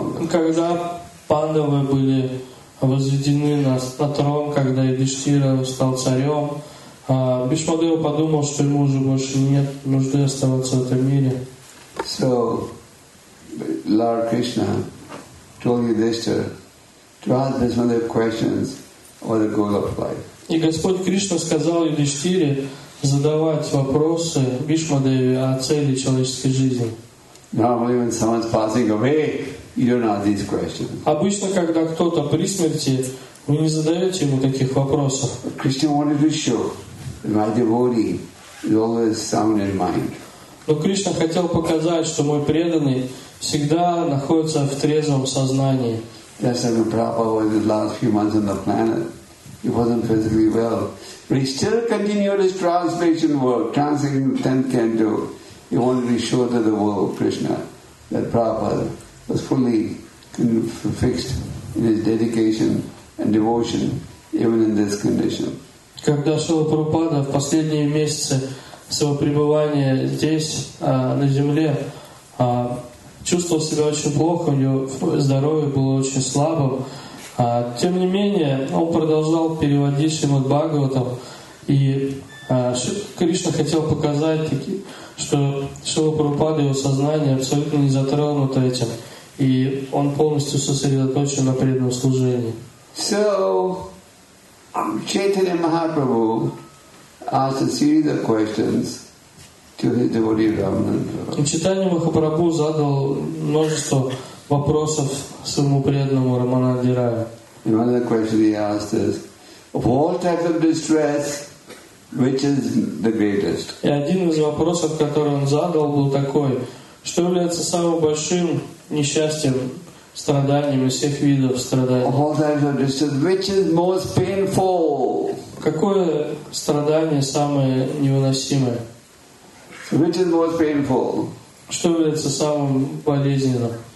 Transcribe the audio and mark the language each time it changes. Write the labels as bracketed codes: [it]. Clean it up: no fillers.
[ru] Когда Пандавы были возведены на трон, когда Юдхиштхира стал царем. Бишмадева подумал, что ему уже больше нет нужды оставаться в этом мире. [en] So, Lord Krishna told Yudhishthira to ask Bhishmadeva questions about the goal of life. [ru] И Господь Кришна сказал Юдхиштхире задавать вопросы Бишмадеве о цели человеческой жизни. [en] Normally, when someone's passing away, you don't ask these questions. [ru] Обычно, когда кто-то при смерти, вы не задаете ему таких вопросов. [en] Krishna wanted to show that my devotee is always sound in mind. [ru] Но Кришна хотел показать, что мой преданный всегда находится в трезвом сознании. [en] That's why Prabhupada was the last few months on the planet. He wasn't physically well, but he still continued his translation work, translating the 10th canto. He wanted to show to the world Krishna that Prabhupada was fully fixed in his dedication and devotion, even in this condition. [ru] Когда Шрила Прабхупада в последние месяцы своего пребывания здесь, на земле, чувствовал себя очень плохо, у него здоровье было очень слабым. Тем не менее, он продолжал переводить Шримад Бхагаватам, и Кришна хотел показать, что Шрила Прабхупада, его сознание абсолютно не затронуто этим, и он полностью сосредоточен на преданном служении. [en] So, Chaitanya Mahaprabhu asked a series of questions to his devotee Ramananda. [ru] Chaitanya Mahaprabhu задал множество вопросов своему преданному Рамананде Рае. [en] And one of the questions he asked is, of all types of distress, which is the greatest? [ru] И один из вопросов, который он задал, был такой: что является самым большим несчастьем, страданием из всех видов страданий? [en] Of all types of distress, which is most painful? [ru] Какое страдание самое невыносимое? [en] Which is most painful? [ru] Что является самым болезненным?